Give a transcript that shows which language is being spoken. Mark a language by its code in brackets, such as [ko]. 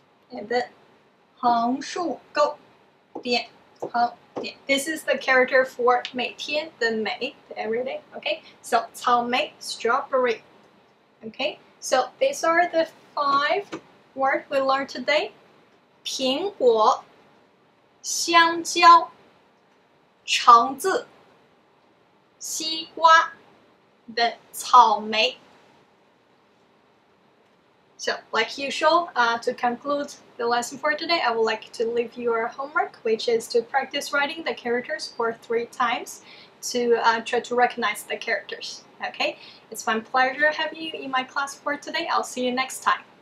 [en] and then [zh] 横竖勾 [en] 点横 Yeah, this is the character for 每天, the 每, the everyday, okay? So, 草莓, strawberry, okay? So, these are the five words we learned today. [zh] 苹果, 香蕉, 橙子, 西瓜, 的草莓. [en] So, like usual, to conclude the lesson for today, I would like to leave your homework, which is to practice writing the characters for three times to try to recognize the characters, okay? It's my pleasure to have you in my class for today. I'll see you next time.